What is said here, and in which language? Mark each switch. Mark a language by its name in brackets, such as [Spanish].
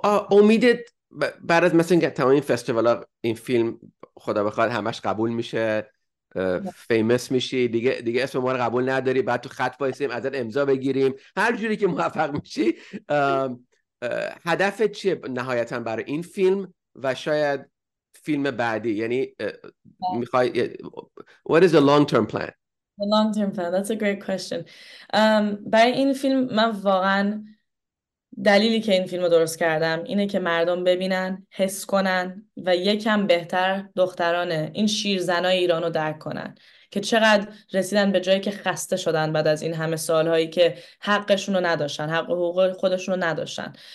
[Persian] امیدت بعد از مثلا تمام این فستیوال ها این فیلم خدا بخواد همش قبول میشه، فیمس میشی، دیگه اسم ما رو قبول نداری، بعد تو خط بایستیم ازت امضا بگیریم، هر جوری که موفق میشی، هدف چیه نهایتا برای این فیلم و شاید فیلم بعدی؟ یعنی میخوای [English] What is the long term plan? The long term plan, that's a great question. [Persian] برای این فیلم من واقعا دلیلی که این فیلم رو درست کردم اینه که مردم ببینن، حس کنن و یکم بهتر دخترانه این شیرزنای ایران رو درک کنن که چقدر رسیدن به جایی که خسته شدن بعد از این همه سالهایی که حقشون رو نداشتن، حق و حقوق خودشون رو نداشتن.